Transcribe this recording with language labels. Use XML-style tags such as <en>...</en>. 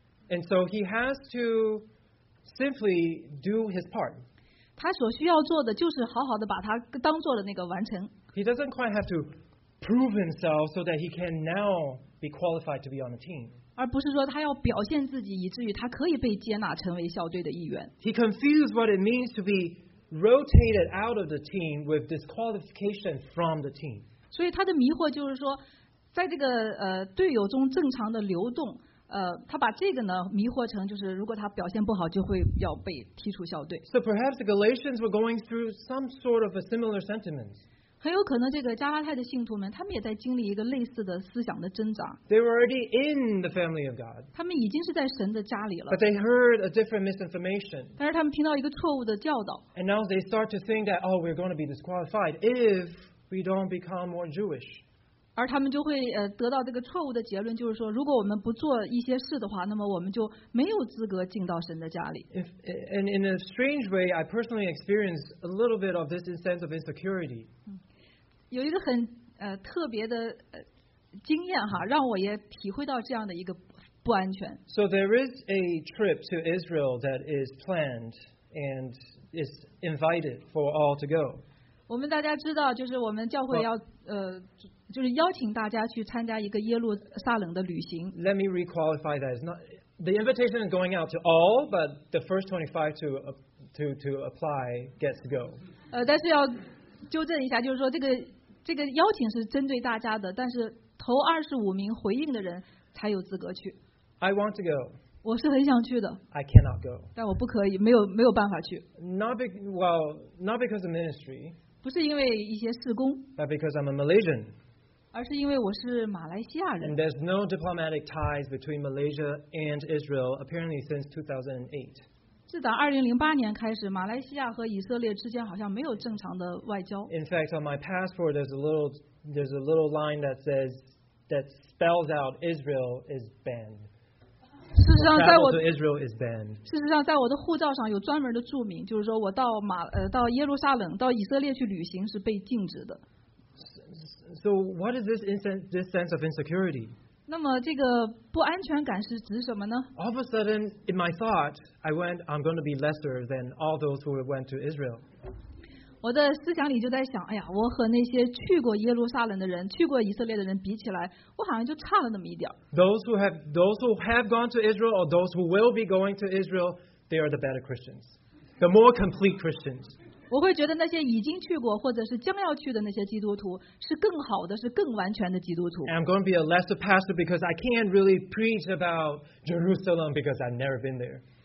<en>And so he has to simply do his part.</en> <zh>他所需要做的就是好好的把他当做的那个完成。</zh> <en>He doesn't quite have to prove himself so that he can now be qualified to be on the team.</en> <zh>而不是说他要表现自己，以至于他可以被接纳成为校队的一员。</zh> <en>He confused what it means to be rotated out of the team with disqualification from the team.</en> <zh>所以他的迷惑就是说，在这个队友中正常的流动。他把这个呢迷惑成就是如果他表现不好就会要被踢出校队。</zh> <en>So perhaps the Galatians were going through some sort of a similar sentiment.</en> <zh>很有可能这个加拉太的信徒们他们也在经历一个类似的思想的挣扎。</zh> <en>They were already in the family of God.</en> <zh>他们已经是在神的家里了。</zh> <en>But they heard a different misinformation.</en> <zh>但是他们听到一个错误的教导。</zh> <en>And now they start to think that, oh, we're going to be disqualified if we don't become more Jewish.</en> <zh>而他们就会得到这个错误的结论，就是说，如果我们不做一些事的话，那么我们就没有资格进到神的家里。</zh> <en>And in a strange way, I personally experienced a little bit of this sense of insecurity.</en> <zh>有一个很特别的经验哈，让我也体会到这样的一个不安全。</zh> <en>So there is a trip to Israel that is planned and is invited for all to go.</en> <zh>我们大家知道，就是我们教会要就是邀请大家去参加一个耶路撒冷的旅行。</zh> <en>Let me requalify that. It's not the invitation is going out to all, but the first 25 to apply gets to go.</en> <zh>但是要纠正一下，就是说这个邀请是针对大家的，但是头25名回应的人才有资格去。</zh> <en>I want to go.</en> <zh>我是很想去的。</zh> <en>I cannot go.</en> <zh>但我不可以，没有办法去。</zh> <en>Not because of ministry.</en> <zh>不是因为一些事工。</zh> <en>But because I'm a Malaysian.</en> <zh>而是因为我是马来西亚人。</zh> <en>And there's no diplomatic ties between Malaysia and Israel apparently since 2008.</en> <zh>自打2008年开始，马来西亚和以色列之间好像没有正常的外交。</zh> <en>In fact, on my passport, there's a little line that says that spells out Israel is banned.</en> <zh>事实上在我的护照上有专门的注明, 就是说我到耶路撒冷, 到以色列去旅行是被禁止的。</zh> <en>So what is this sense of insecurity?</en> <zh>那么这个不安全感是指什么呢?</zh> <en>All of a sudden, in my thought, I'm going to be lesser than all those who went to Israel.</en> <zh>我的思想里就在想, 哎呀, 我和那些去过耶路撒冷的人, 去过以色列的人比起来, 我好像就差了那么一点。</zh> <en>Those who have gone to Israel or those who will be going to Israel, they are the better Christians. The more complete Christians.</en> <zh>我会觉得那些已经去过或者是将要去的那些基督徒 是更好的,是更完全的基督徒。</zh> <en>And I'm going to be a lesser pastor because I can't really preach about Jerusalem because I've never been there.</en>